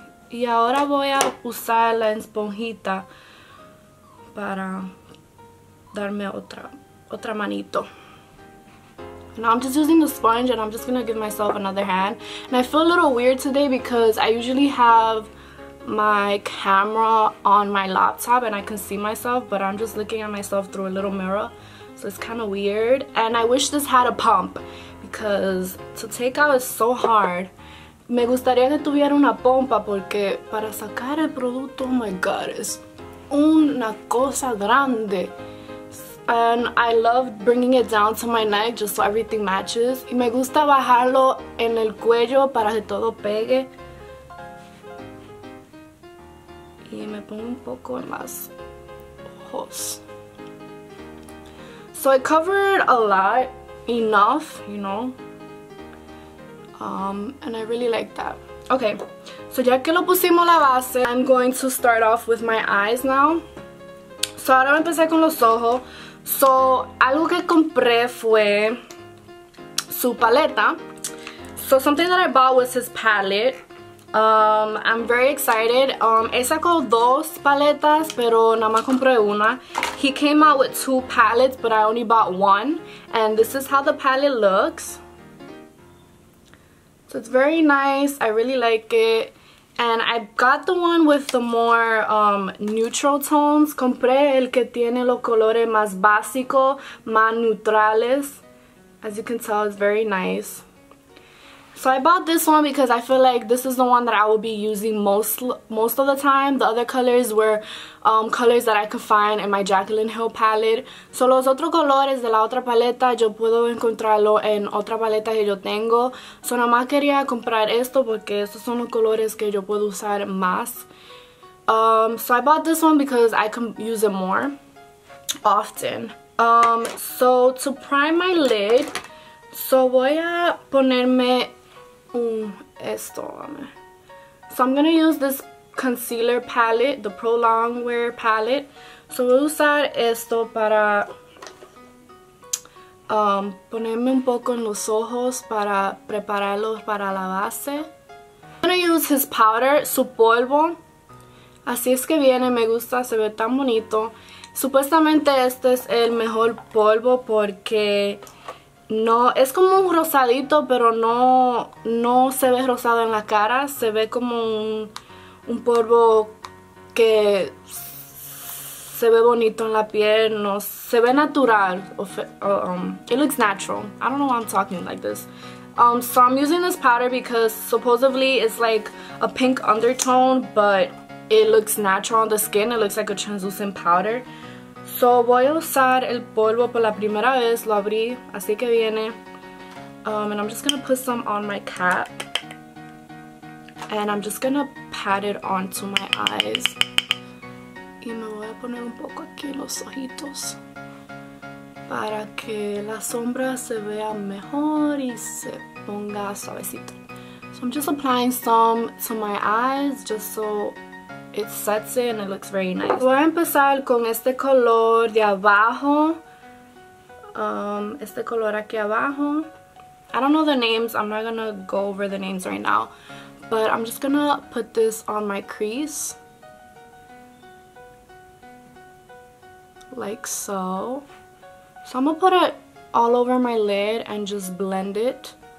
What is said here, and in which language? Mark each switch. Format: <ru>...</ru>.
<es>Y ahora voy a usar la esponjita para darme otra manito.</es> <en>Now I'm just using the sponge and I'm just gonna give myself another hand. And I feel a little weird today because I usually have my camera on my laptop and I can see myself, but I'm just looking at myself through a little mirror. So it's kind of weird. And I wish this had a pump, because to take out is so hard.</en> <es>Me gustaría que tuviera una pompa porque para sacar el producto,</es> <en>oh my god,</en> <es>es una cosa grande.</es> <en>And I love bringing it down to my neck just so everything matches.</en> <es>Y me gusta bajarlo en el cuello para que todo pegue. Y me pongo un poco en las ojos.</es> <en>So I covered a lot. Enough, you know, and I really like that. Okay, so</en> <es>ya que lo pusimos la base,</es> <en>I'm going to start off with my eyes now.</en> <es>So ahora empecé con los ojos. So algo que compré fue su paleta.</es> <en>So something that I bought was his palette. I'm very excited.</en> <es>He sacó dos paletas, pero nada más compré una.</es> <en>He came out with two palettes, but I only bought one. And this is how the palette looks. So it's very nice. I really like it. And I got the one with the more neutral tones.</en> <es>Compré el que tiene los colores más básicos, más neutrales.</es> <en>As you can tell, it's very nice. So I bought this one because I feel like this is the one that I will be using most of the time. The other colors were colors that I could find in my Jaclyn Hill palette.</en> <es>So los otros colores de la otra paleta yo puedo encontrarlo en otra paleta que yo tengo. So nomás quería comprar esto porque estos son los colores que yo puedo usar más.</es> <en>So I bought this one because I can use it more often. So to prime my lid, so</en> <es>voy a ponerme esto.</es> <en>So I'm going to use this concealer palette, the Pro Longwear palette.</en> <es>So voy a usar esto para ponerme un poco en los ojos para prepararlos para la base.</es> <en>I'm going to use his powder,</en> <es>su polvo. Así es que viene, me gusta, se ve tan bonito. Supuestamente este es el mejor polvo porque no, es como un rosadito, pero no se ve rosado en la cara. Se ve como un polvo que se ve bonito en la piel, no, se ve natural.</es> <en>It looks natural. I don't know why I'm talking like this. So I'm using this powder because supposedly it's like a pink undertone, but it looks natural on the skin. It looks like a translucent powder.</en> <es>So voy a usar el polvo por la primera vez. Lo abrí, así que viene.</es> <en>And I'm just gonna put some on my cap. And I'm just gonna pat it onto my eyes.</en> <es>Y me voy a poner un poco aquí los ojitos. Para que la sombra se vea mejor y se ponga suavecito.</es> <en>So I'm just applying some to my eyes just so it sets it and it looks very nice.</en> <es>Voy a empezar con este color de abajo. Este color aquí abajo.</es> <en>I don't know the names. I'm not gonna go over the names right now. But I'm just gonna put this on my crease. Like so. So I'm gonna put it all over my lid and just blend it.</en>